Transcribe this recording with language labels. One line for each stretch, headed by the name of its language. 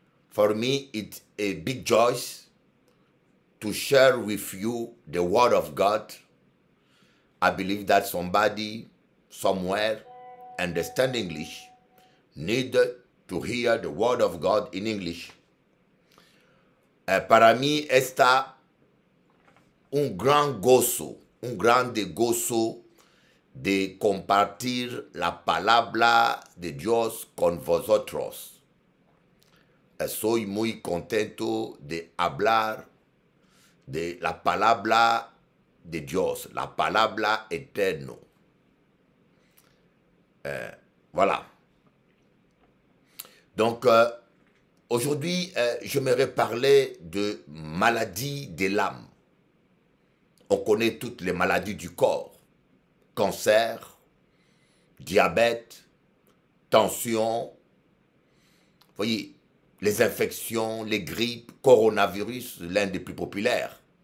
English: For me it's a big joy to share with you the word of God. I believe that somebody somewhere understand English need to hear the word of God in English.
Spanish: Para mi esta un grande gozo de compartir la palabra de Dios con vosotros. Soy muy contento de hablar de la palabra de Dios, la palabra eterna.
French: Voilà. Donc, aujourd'hui, j'aimerais parler de maladie de l'âme. On connaît toutes les maladies du corps, cancer, diabète, tension, voyez, les infections, les grippes, coronavirus, l'un des plus populaires.